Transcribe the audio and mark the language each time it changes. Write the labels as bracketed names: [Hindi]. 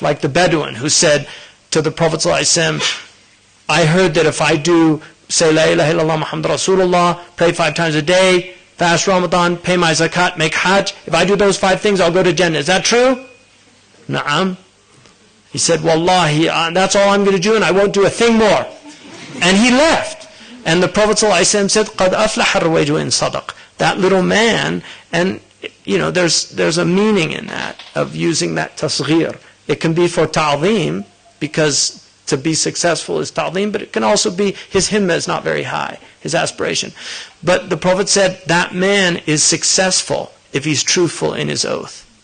[English] Like the Bedouin who said to the Prophet ﷺ, I heard that if I do say La ilaha illallah Muhammad Rasulullah, pray 5 times a day, fast Ramadan, pay my zakat, make hajj, if I do those 5 things, I'll go to Jannah. Is that true? Na'am. He said, Wallahi, that's all I'm going to do, and I won't do a thing more. And he left. And the Prophet ﷺ said, [Arabic] قَدْ أَفْلَحَ الرَّوَيْجُ إِنْ صَدَقْ. [English] That little man, and you know, there's a meaning in that, of using that tasghir. It can be for ta'zeem, because to be successful is ta'zeem, but it can also be his himmah is not very high, his aspiration. But the Prophet said, that man is successful if he's truthful in his oath.